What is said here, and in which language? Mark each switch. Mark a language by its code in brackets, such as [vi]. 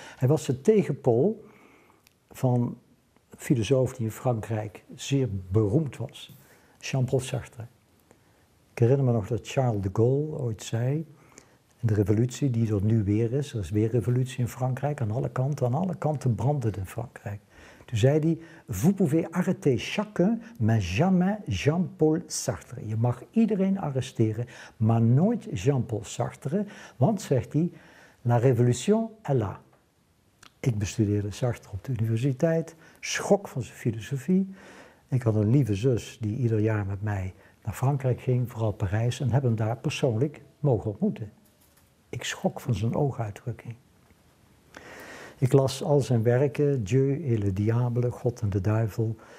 [nl] Hij was de tegenpool van een filosoof die in Frankrijk zeer beroemd was, Jean-Paul Sartre. Ik herinner me nog dat Charles de Gaulle ooit zei, in de revolutie die er nu weer is, er is weer revolutie in Frankrijk, aan alle kanten brandde het in Frankrijk. Toen zei hij, [fr] vous pouvez arrêter chacun, mais jamais Jean-Paul Sartre. [nl] Je mag iedereen arresteren, maar nooit Jean-Paul Sartre. Want, zegt hij, [fr] la révolution est là. [nl] Ik bestudeerde Sartre op de universiteit. Schok van zijn filosofie. Ik had een lieve zus die ieder jaar met mij naar Frankrijk ging, vooral Parijs. En heb hem daar persoonlijk mogen ontmoeten. Ik schok van zijn ooguitdrukking. Ik las al zijn werken, Dieu et le diable, God en de duivel.